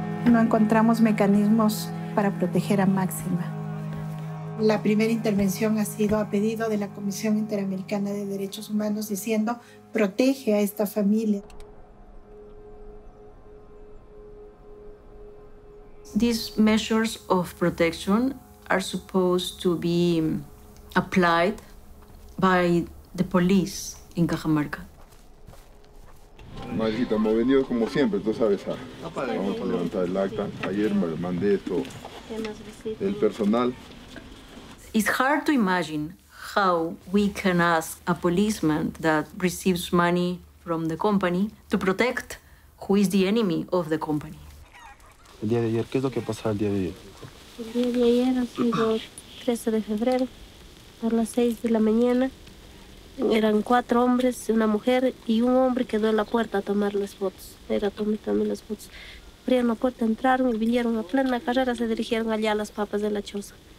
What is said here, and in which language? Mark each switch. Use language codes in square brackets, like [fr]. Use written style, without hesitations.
[es] No encontramos mecanismos para proteger a Máxima. La primera intervención ha sido a pedido de la Comisión Interamericana de Derechos Humanos diciendo, protege a esta familia. [en] These measures of protection are supposed to be applied by the police in Cajamarca. [es] Madrecita, hemos venido como siempre, tú sabes, vamos a levantar el acta. Ayer me mandé esto, el personal. [en] It's hard to imagine how we can ask a policeman that receives money from the company to protect who is the enemy of the company. [es] El día de ayer, ¿qué es lo que pasó el día de ayer? El día de ayer ha sido 13 de febrero, a las 6 de la mañana. Eran 4 hombres, una mujer y un hombre quedó en la puerta a tomar las fotos. Era tomando las fotos. Abrieron la puerta, entraron y vinieron a plena carrera, se dirigieron allá a las papas de la choza.